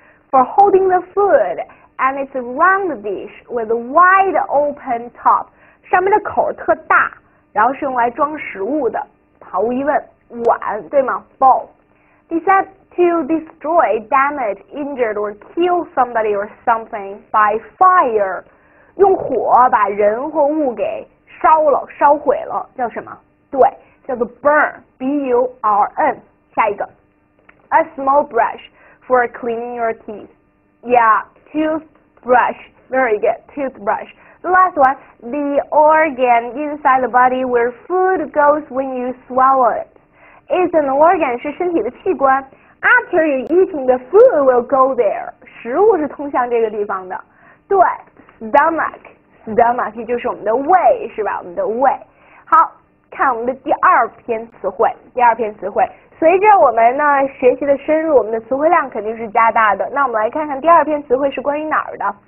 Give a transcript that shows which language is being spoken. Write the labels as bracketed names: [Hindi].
[English] For holding the food, and it's a round dish with a wide open top. [Chinese] 上面的口特大。然后是用来装食物的，毫无疑问，碗对吗？Bowl。 [English] 第三，to destroy, damage, injured or kill somebody or something by fire， [Chinese] 用火把人或物给烧了、烧毁了，叫什么？对，叫做 [English] burn，burn。 [Chinese] 下一个， [English] a small brush for cleaning your teeth。 Yeah，toothbrush，very good，toothbrush。 The last one, the organ inside the body where food goes when you swallow it. It's an organ, [Chinese] 是身体的器官。 [English] After you're eating, the food will go there. [Chinese] 食物是通向这个地方的。对，stomach 也就是我们的胃，是吧？我们的胃。好，看我们的第二篇词汇。随着我们呢学习的深入，我们的词汇量肯定是加大的。那我们来看看第二篇词汇是关于哪儿的。